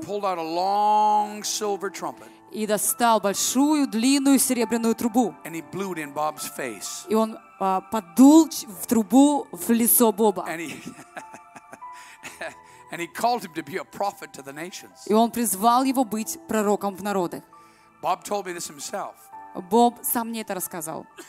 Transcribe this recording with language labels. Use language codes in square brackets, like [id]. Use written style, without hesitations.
[en] And he pulled out a long silver trumpet. [ru] И достал большую длинную серебряную трубу. [en] And he blew it in Bob's face. [ru] И он подул в трубу в лицо Боба. [en] And he called him to be a prophet to the nations. [ru] И он призвал его быть пророком в народы. [en] Bob told me this himself. [ru] Боб сам мне это рассказал.